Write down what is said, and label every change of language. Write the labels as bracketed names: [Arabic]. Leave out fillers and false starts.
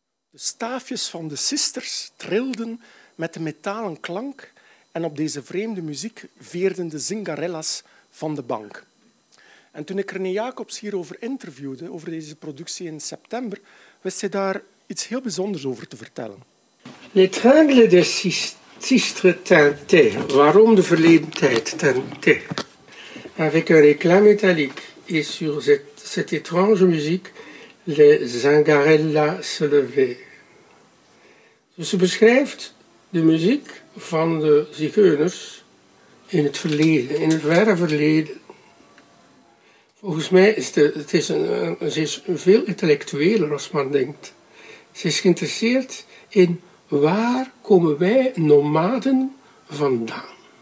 [Dutch] De staafjes van de sisters trilden met de metalen klank en op deze vreemde muziek veerden de zingarellas van de bank. En toen ik René Jacobs hierover interviewde, over deze productie in september, wist hij daar iets heel bijzonders over te vertellen. [French] Les tringles de sistres tintaient. [Dutch] Waarom de verleden tijd tintaient? [French] Avec un éclat métallique et sur cette étrange musique, les zingarellas se levaient. [Dutch] Dus ze beschrijft de muziek van de zigeuners in het verleden, in het verre verleden. Volgens mij is ze veel intellectueler als men denkt. Ze is geïnteresseerd in waar komen wij nomaden vandaan.